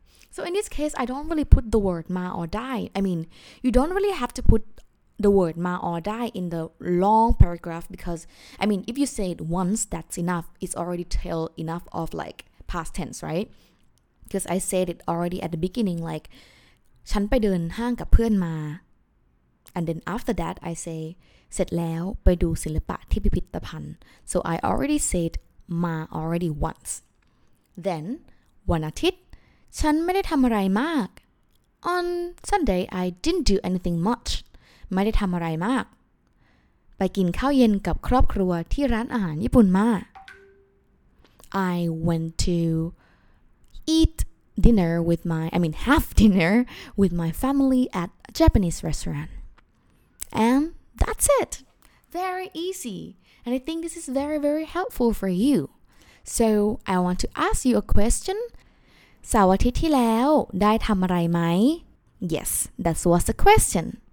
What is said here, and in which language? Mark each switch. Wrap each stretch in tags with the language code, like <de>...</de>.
<en>So in this case, I don't really put the word ma or dai. I mean, you don't really have to put the word ma or dai in the long paragraph because, I mean, if you say it once, that's enough. It's already tell enough of like past tense, right? Because I said it already at the beginning, like,</en> <th>ฉันไปเดินห้างกับเพื่อนมา</th> <en>And then after that, I say,</en> <th>เสร็จแล้วไปดูศิลปะที่พิพิธภัณฑ์</th> <en>so I already said ma already once then</en> <th>วันอาทิตย์ฉันไม่ได้ทำอะไรมาก</th> <en>on Sunday I didn't do anything much</en> <th>ไม่ได้ทำอะไรมาก ไปกินข้าวเย็นกับครอบครัวที่ร้านอาหารญี่ปุ่นมา</th> <en>I went to eat dinner with my I mean have dinner with my family at a Japanese restaurant andThat's it. Very easy. And I think this is very, very helpful for you. So, I want to ask you a question.</en> <th>เสาร์อาทิตย์ที่แล้วได้ทำอะไรไหม</th> <en>Yes, that was the question.</en>